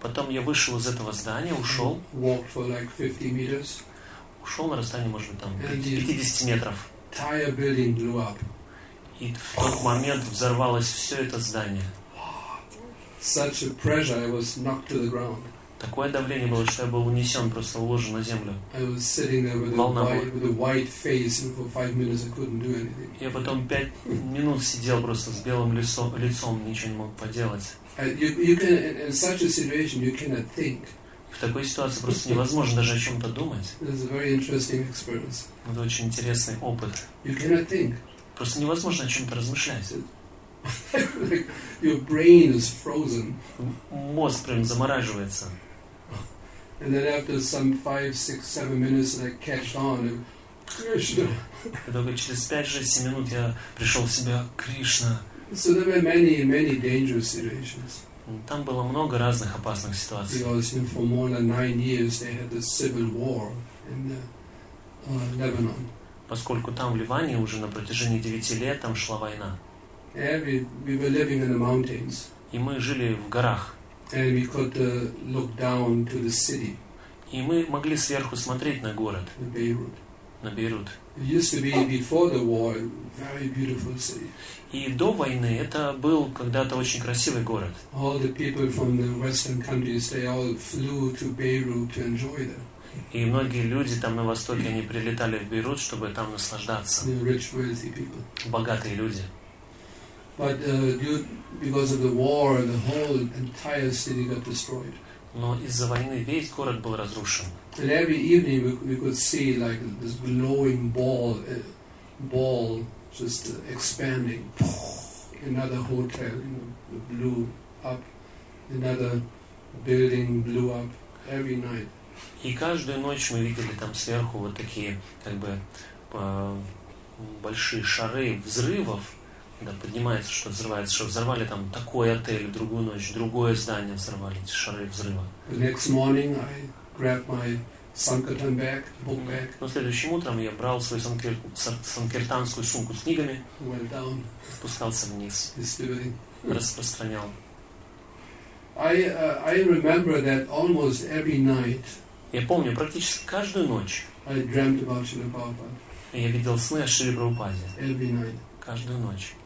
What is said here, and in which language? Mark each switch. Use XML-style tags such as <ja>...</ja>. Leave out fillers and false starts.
<ru>Потом я вышел из этого здания, ушел.</ru> <en>Walked for like 50 meters.</en> <ru>Ушел на расстояние, может быть, там 50 метров.</ru> <en>Entire building blew up.</en> <ru>И в тот момент взорвалось все это здание.</ru> <en>Such a pressure, I was knocked to the ground.</en> <ru>Такое давление было, что я был унесен, просто уложен на землю.</ru> <en>I was sitting there with a white face, and for 5 minutes I couldn't do anything.</en> <ru>Я потом 5 минут сидел просто с белым лицом, ничего не мог поделать.</ru> <en>In such a situation, you cannot think.</en> <ru>В такой ситуации просто невозможно даже о чем-то думать.</ru> <en>It's a very interesting experience.</en> <ru>Это очень интересный опыт.</ru> <en>You cannot think.</en> <ru>Просто невозможно о чем-то размышлять.</ru> <en>Your brain is frozen.</en> <ru>Мозг прям замораживается.</ru> <en>And then after some 5-7 minutes I catched on and Krishna.</en> <ru>Через 5-6 минут я пришел в себя Кришна.</ru> <en>So there were many dangerous situations.</en> <ru>Там было много разных опасных ситуаций.</ru> <en>Because for more than 9 years they had a civil war in Lebanon.</en> <ru>Поскольку там в Ливане уже на протяжении 9 лет там шла война.</ru> <en>We were living in the mountains.</en> <ru>И мы жили в горах.</ru> <en>And we could look down to the city.</en> <ru>И мы могли сверху смотреть на город. На Бейрут.</ru> <en>It used to be before the war, a very beautiful city.</en> <ru>И до войны это был когда-то очень красивый город.</ru> <en>All the people from the Western countries, they all flew to Beirut to enjoy them.</en> <ru>И многие люди там на востоке, они прилетали в Бейрут, чтобы там наслаждаться.</ru> <en>The rich, wealthy people.</en> <ru>Богатые люди.</ru> <en>But because of the war, the whole entire city got destroyed.</en> <ru>Но из-за войны весь город был разрушен.</ru> <en>And every evening we could see like this glowing ball just expanding. Another hotel, you know, blew up. Another building blew up every night.</en> <ru>И каждую ночь мы видели там сверху вот такие как бы большие шары взрывов, когда поднимается, что взрывается, что взорвали там такой отель, другую ночь, другое здание взорвали, эти шары взрыва.</ru> <en>The next morning I grabbed my sankirtan bag, book bag.</en> <ru>Но следующим утром я брал свою санкиртанскую сумку с книгами,</ru> <en>went down,</en> <ru>спускался вниз, распространял.</ru> <en>I remember that almost every night.</en> <ru>Я помню, практически каждую ночь я видел сны о Шри Прабхупаде. Каждую ночь.</ru>